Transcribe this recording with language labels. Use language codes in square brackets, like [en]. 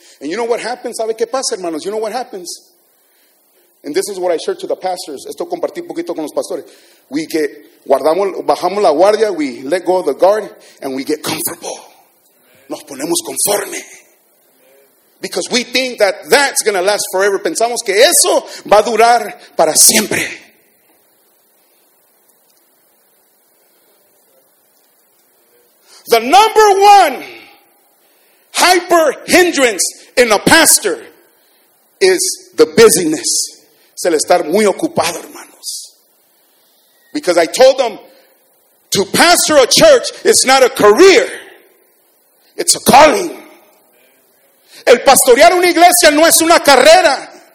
[en] And you know what happens, [es] ¿sabe qué pasa, hermanos? [en] You know what happens. And this is what I shared to the pastors. [es] Esto compartí un poquito con los pastores. [en] We get, [es] guardamos, bajamos la guardia, [en] we let go of the guard, and we get comfortable. [es] Nos ponemos conforme. [en] Because we think that that's going to last forever. [es] Pensamos que eso va a durar para siempre. [en] The number one hyper hindrance in a pastor is the busyness. [es] Es el estar muy ocupado, hermanos. [en] Because I told them, to pastor a church is not a career. It's a calling. [es] El pastorear una iglesia no es una carrera.